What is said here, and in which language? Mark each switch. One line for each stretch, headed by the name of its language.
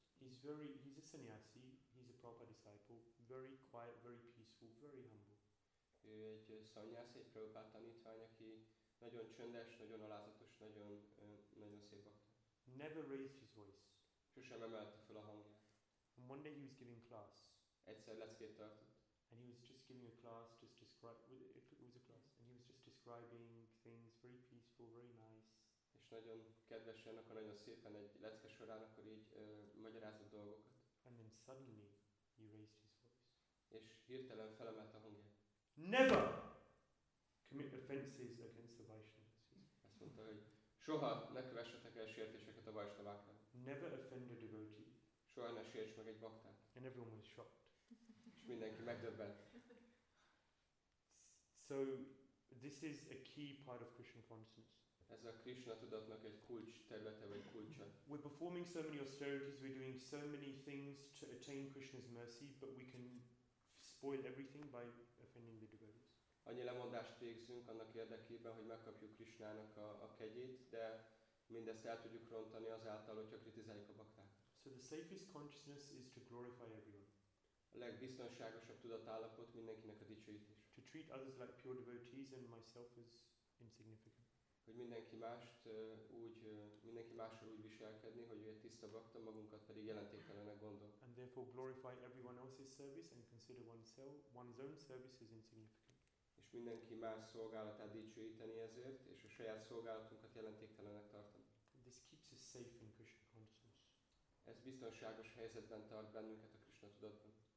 English: He's a sannyasi, he's a Prabhupada disciple, very quiet, very peaceful, very humble.
Hungarian: Ő egy sannyasi, egy Prabhupada tanítvány, aki nagyon csöndes, nagyon alázatos, nagyon, nagyon szép volt.
English: Never raised his voice.
Hungarian: Sosem emelte fel a hangját.
English: And one day he was giving class.
Hungarian: Egyszer leckét tartott.
English: And he was just giving a class, just it was a class, and he was just describing things very peaceful, very nice.
Hungarian: És nagyon kedvesen, akkor nagyon szépen egy lecke során, akkor így magyarázott dolgokat.
English: And then suddenly he raised his voice.
Hungarian: És hirtelen felemelte a hangját.
English: Never commit offenses against the Vaishnavas.
Hungarian: Azt mondta, hogy soha ne kövessetek el sértéseket a Vaishnavákkal.
English: Never offend a devotee.
Hungarian: Soha ne sérts meg egy baktát.
English: And everyone was shocked.
Hungarian: És mindenki megdöbbent.
English: So this is a key part of Krishna consciousness.
Hungarian: Ez a Krishna tudatnak egy kulcs területe vagy kulcsa.
English: We're performing so many austerities, we're doing so many things to attain Krishna's mercy, but we can spoil everything by offending the devotees.
Hungarian: Annyi lemondást végzünk annak érdekében, hogy megkapjuk Krishnának a kegyét, de mindezt el tudjuk rontani azáltal, hogyha kritizáljuk a baktát.
English: So the safest consciousness is to glorify everyone.
Hungarian: A legbiztonságosabb tudatállapot mindenkinek a dicsőítés.
English: To treat others like pure devotees and myself as insignificant.
Hungarian: Hogy mindenki mást úgy, mindenki mással úgy viselkedni, hogy ő egy tiszta bakta, magunkat pedig jelentéktelennek gondol.
English: And therefore glorify everyone else's service and consider oneself, one's own service is insignificant.
Hungarian: És mindenki más szolgálatát dicsőíteni ezért, és a saját szolgálatunkat jelentéktelennek tartani.
English: This keeps us safe in Krishna consciousness.
Hungarian: Ez biztonságos helyzetben tart bennünket a Krishna tudatban.